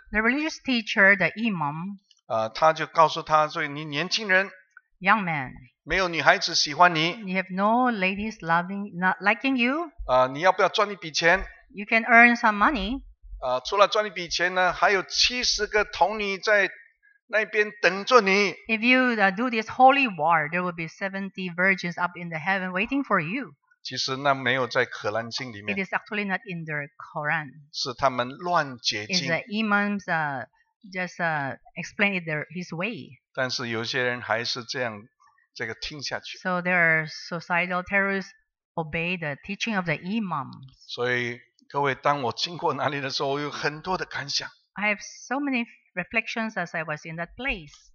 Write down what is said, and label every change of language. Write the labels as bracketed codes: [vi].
[en] The religious teacher, the imam. [zh] 他就告诉他，所以你年轻人。 [en] Young man. [zh] 没有女孩子喜欢你, [en] you have no ladies loving, not liking you. [zh] 你要不要赚一笔钱? [en] You can earn some money. [zh] 除了赚一笔钱呢, 还有70个童女在那边等着你。 [en] If you do this holy war, there will be 70 virgins up in the heaven waiting for you. [zh] 其实那没有在可兰经里面。 [en] It is actually not in the Quran. [zh] 是他们乱解经。 [en] It's the imam's, just explain it his way. [zh] 但是有些人还是这样。这个听下去, [en] so there are suicidal terrorists obey the teaching of the imam. [zh] 所以各位，当我经过哪里的时候，我有很多的感想。 [en] I have so many reflections as I was in that place.